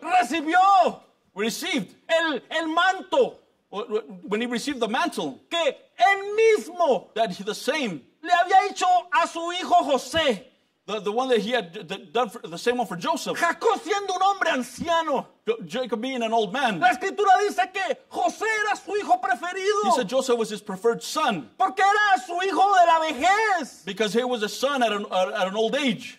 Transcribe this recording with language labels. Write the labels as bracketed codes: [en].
[es] Recibió. [en] Received. [es] El manto. [en] When he received the mantle. [es] Que él mismo. [en] That he, the same. [es] Le había dicho a su hijo José. [en] The one that he had done for, the same one for Joseph. [es] Jacob siendo un hombre anciano. [en] Jacob being an old man. [es] La escritura dice que José era su hijo preferido. [en] He said Joseph was his preferred son. [es] Porque era su hijo de la vejez. [en] Because he was a son at an old age.